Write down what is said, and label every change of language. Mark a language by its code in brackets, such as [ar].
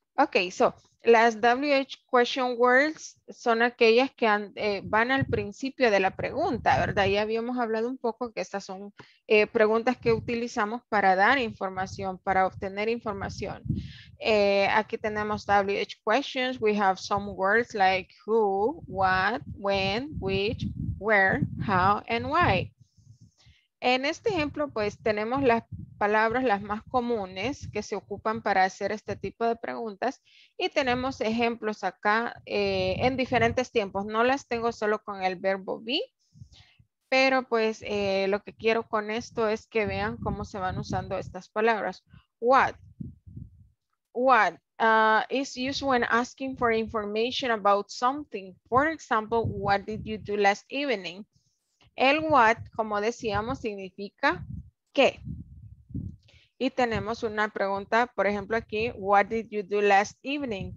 [es] Ok, so, las WH question words son aquellas que van al principio de la pregunta, ¿verdad? Ya habíamos hablado un poco que estas son preguntas que utilizamos para dar información, para obtener información. Aquí tenemos WH questions. [en] We have some words like who, what, when, which, where, how, and why. [es] En este ejemplo, pues, tenemos las palabras las más comunes que se ocupan para hacer este tipo de preguntas y tenemos ejemplos acá en diferentes tiempos. No las tengo solo con el verbo be, pero pues lo que quiero con esto es que vean cómo se van usando estas palabras. [en] What is used when asking for information about something. For example, what did you do last evening? [es] El what, como decíamos, significa qué. Y tenemos una pregunta, por ejemplo, aquí, [en] what did you do last evening?